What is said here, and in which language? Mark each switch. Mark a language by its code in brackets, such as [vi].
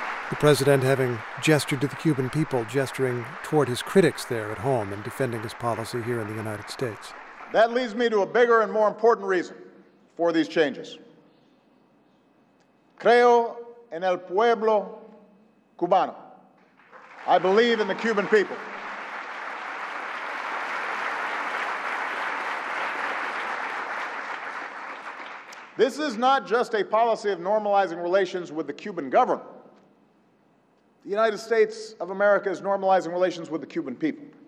[en] The president, having gestured to the Cuban people, gesturing toward his critics there at home and defending his policy here in the United States. That leads me to a bigger and more important reason for these changes. [es] Creo en el pueblo cubano. [en] I believe in the Cuban people. This is not just a policy of normalizing relations with the Cuban government. The United States of America is normalizing relations with the Cuban people.